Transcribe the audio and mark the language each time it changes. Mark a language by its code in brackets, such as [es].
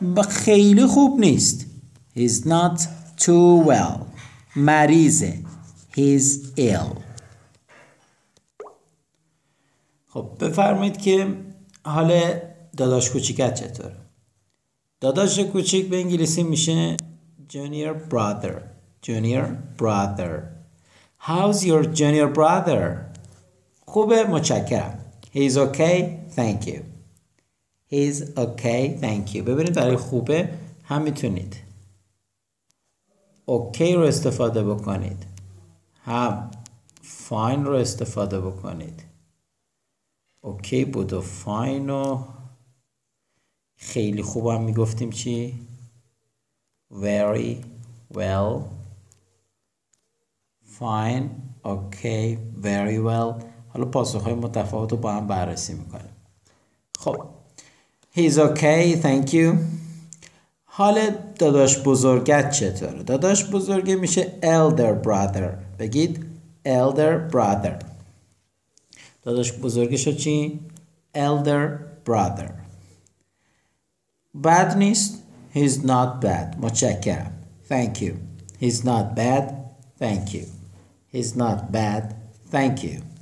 [fa] خیلی خوب نیست. [en] He's not too well. [fa] مریضه. [en] He's ill. [fa] خب بفرمایید که حال داداش کوچیکت چطور؟ داداش کوچیک به انگلیسی میشه junior brother. [en] Junior brother. How's your junior brother? [fa] خوبه متشکرم. [en] He's okay. Thank you. He's okay. Thank you. [fa] ببینید برای خوبه هم میتونید okay رو استفاده بکنید. هم fine رو استفاده بکنید. Okay بود و fine و خیلی خوب هم میگفتیم چی؟ [en] Very well. Fine. Okay. Very well. [fa] حالا پاسخ های متفاوت رو با هم بررسی میکنیم. [en] خب He's okay. Thank you. [fa] حال داداش بزرگت چطوره؟ داداش بزرگه میشه elder brother. بگید elder brother. داداش بزرگش چی؟ elder brother. [en] Bad [fa] نیست. [en] He's not bad. [fa] متشکرم. [en] Thank you. He's not bad. Thank you. He's not bad. Thank you.